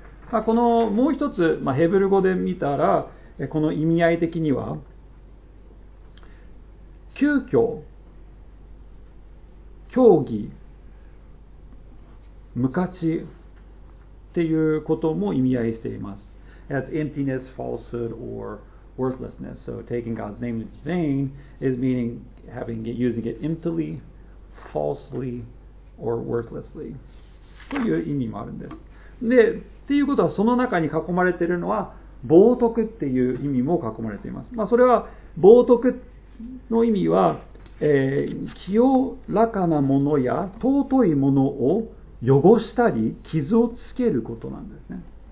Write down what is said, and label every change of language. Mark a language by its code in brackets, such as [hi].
[ja] まあ、このもう一つ、まあ、ヘブル語で見たら、この意味合い的には急遽、協議、無価値っていうことも意味合いしています。 [en] As emptiness, falsehood, or worthlessness. So taking God's name in vain is meaning having it, using it emptily, falsely, or worthlessly. [ja] そういう意味もあるんです。で、っていうことはその中に囲まれているのは冒涜っていう意味も囲まれています。まあ、それは冒涜の意味は、清らかなものや尊いものを汚したり傷をつけることなんですね。